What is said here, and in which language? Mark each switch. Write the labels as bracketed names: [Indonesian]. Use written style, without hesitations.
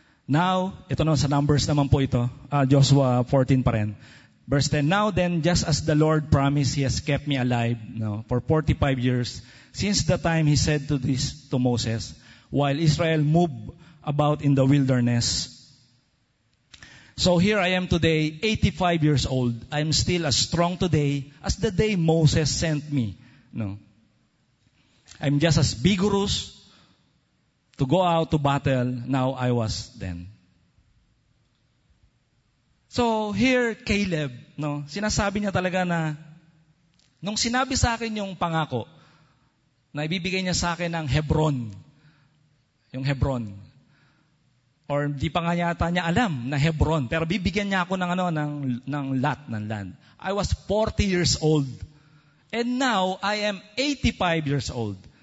[Filipino] Now, ito na sa Numbers naman po ito. Joshua 14 pa rin. [English] Verse 10, now then, just as the Lord promised, He has kept me alive, no, for 45 years, since the time He said to Moses, while Israel moved about in the wilderness. So here I am today, 85 years old. I'm still as strong today as the day Moses sent me. No, I'm just as vigorous to go out to battle now I was then. So here Caleb, [Filipino] no, sinasabi niya talaga na nung sinabi sa akin yung pangako na ibibigay niya sa akin ng Hebron, yung Hebron, or di pa nga yata niya alam na Hebron, pero bibigyan niya ako ng ano, ng lot ng land. [English] I was 40 years old and now I am 85 years old.